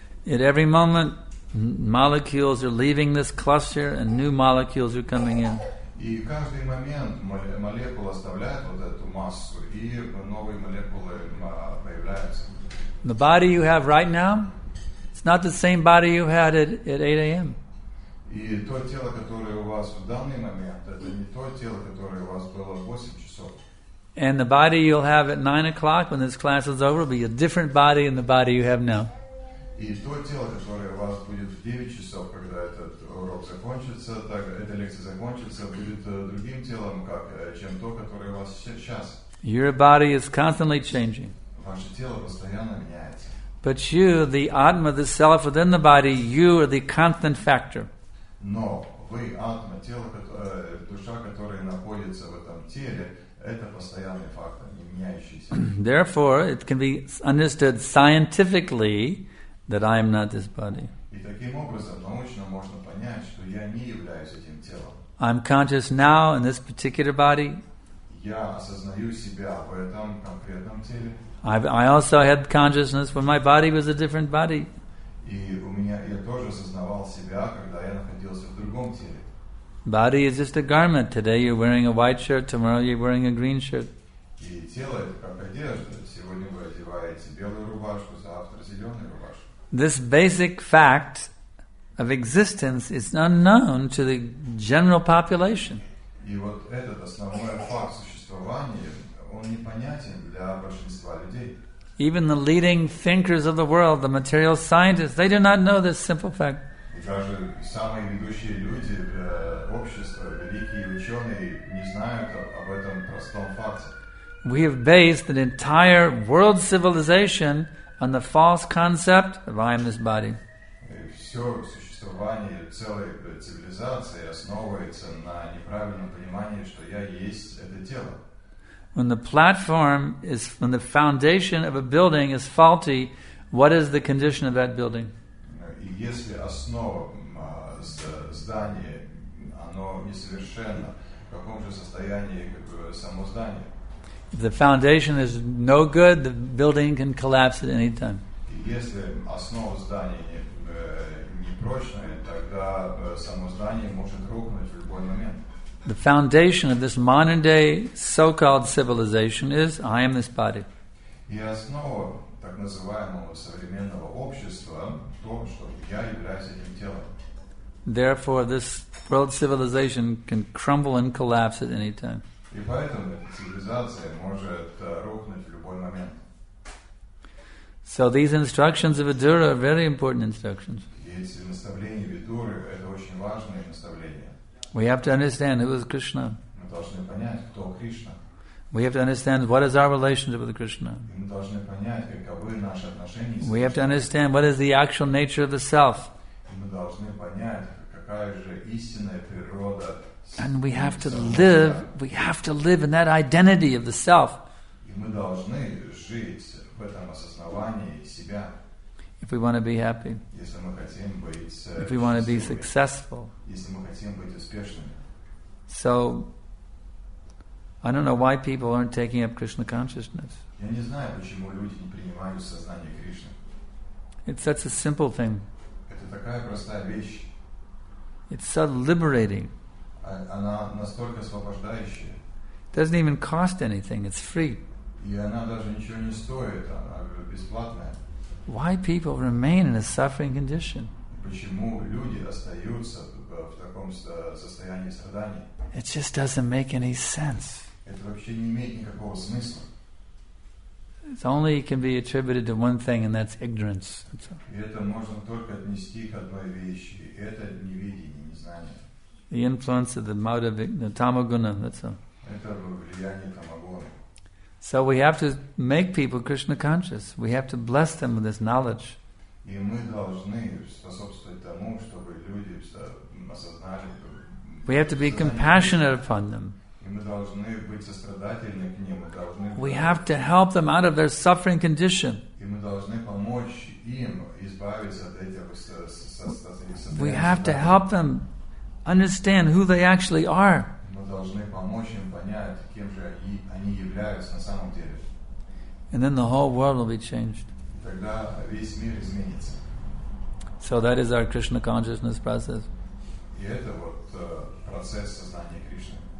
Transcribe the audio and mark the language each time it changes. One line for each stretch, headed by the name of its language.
English: At every moment molecules are leaving this cluster and new molecules are coming in.
Russian: И каждый момент молекула оставляет вот эту массу, и новые молекулы появляются.
English: The body you have right now, it's not the same body you had at 8 a.m.
Russian: И то тело, которое у вас в данный момент, это не то тело, которое у вас было в 8 часов.
English: And the body you'll have at 9 o'clock when this class is over will be a different body than the body you have now.
Russian: И то тело, которое у вас будет в 9 часов, когда этот урок закончится, так эта лекция закончится, будет другим телом, как чем то, которое у вас сейчас.
English: Your body is constantly changing.
Russian: Ваше тело постоянно меняется.
English: But you, the Atma, the self within the body, you are the constant factor.
Russian: Но вы, Атма, тело, душа, которая находится в этом теле, это постоянный фактор, не меняющийся.
English: Therefore, it can be understood scientifically that I am not this body.
Russian: И таким образом научно можно понять, что я не являюсь этим телом.
English: I'm conscious now in this particular body.
Russian: Я осознаю себя в этом конкретном теле.
English: I also had consciousness when my body was a different body.
Russian: И у меня я тоже осознавал себя, когда я находился в другом теле.
English: Body is just a garment. Today you're wearing a white shirt, tomorrow you're wearing a green shirt.
Russian: И тело это как одежда. Сегодня вы одеваете белую рубашку, завтра зеленую рубашку.
English: This basic fact of existence is unknown to the general population.
Russian: И вот этот основной факт существования, он непонятен для большинства людей.
English: Even the leading thinkers of the world, the material scientists, they do not know this simple fact.
Russian: Даже самые ведущие люди общества, великие ученые, не знают об этом простом факте.
English: We have based an entire world civilization on the false concept of I am this body.
Russian: Все существование целой цивилизации основывается на неправильном понимании, что я есть это тело.
English: When the platform is, when the foundation of a building is faulty, what is the condition of that building?
Russian: Если основа здания, оно несовершенно, в каком же состоянии само здание?
English: If the foundation is no good, the building can collapse at any time.
Russian: Если основа здания непрочная, тогда само здание может рухнуть в любой момент.
English: The foundation of this modern day so-called civilization is I am this body.
Russian: И основа так называемого современного общества то, что я являюсь этим телом.
English: Therefore, this world civilization can crumble and collapse at any time.
Russian: И поэтому цивилизация может рухнуть в любой момент.
English: So these instructions of Vidura are very important instructions.
Russian: Эти наставления Видуры это очень важные наставления.
English: We have to understand who is Krishna.
Russian: Мы должны понять, кто Кришна.
English: We have to understand what is our relationship with Krishna.
Russian: Мы должны понять, каковы наши отношения с
English: Кришной. We have to understand what is the actual nature of the self.
Russian: Мы должны понять, какая же истинная природа.
English: And we have to live. We have to live in that identity of the self.
Russian: И мы должны жить в этом осознавании себя.
English: If we want to be happy.
Russian: Если мы хотим быть счастливыми.
English: If we want to be successful.
Russian: Если мы хотим быть успешными.
English: So, I don't know why people aren't taking up Krishna consciousness.
Russian: Я не знаю, почему люди не принимают сознание Кришны.
English: It's such a simple thing.
Russian: Это такая простая вещь.
English: It's so liberating.
Russian: Она настолько освобождающая.
English: It doesn't even cost anything. It's free.
Russian: И она даже ничего не стоит. Она бесплатная.
English: Why people remain in a suffering condition?
Russian: Почему люди остаются в таком состоянии страдания?
English: It just doesn't make any sense.
Russian: Это вообще не имеет никакого смысла.
English: It only can be attributed to one thing, and that's ignorance.
Russian: И это можно только отнести к одной вещи. Это неведение, незнание.
English: The influence of the tamoguna, that's all.
Russian: Это влияние тамагуны.
English: So we have to make people Krishna conscious. We have to bless them with this knowledge.
Russian: И мы должны способствовать тому, чтобы люди осознали.
English: We have to be compassionate upon them.
Russian: И мы должны быть сострадательны к ним.
English: We have to help them out of their suffering condition.
Russian: И мы должны помочь им избавиться от этих состояний.
English: We have to help them understand who they actually are.
Russian: Мы должны помочь им понять, кем же они являются на самом деле.
English: And then the whole world will be changed.
Russian: Тогда весь мир изменится.
English: So that is our Krishna consciousness process.
Russian: И это вот процесс сознания Кришны.